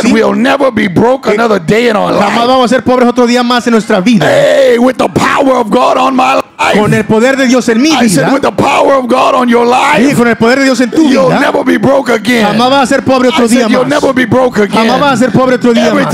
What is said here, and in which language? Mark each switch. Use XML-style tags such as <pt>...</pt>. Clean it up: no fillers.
<en>That we'll never be broke another day in our life.</en> <es>Jamás vamos a ser pobres otro día más en nuestra vida.</es> <en>Hey, with the power of God on my life.</en> <es>Con el poder de Dios en mi vida.</es> <en>I said, with the power of God on your life.</en> <es>Con el poder de Dios en tu vida.</es> <en>You'll never be broke again.</en> <es>Jamás vas a ser pobre otro día más.</es> <en>You'll never be broke again.</en> <es>Jamás vas a ser pobre otro día más.</es>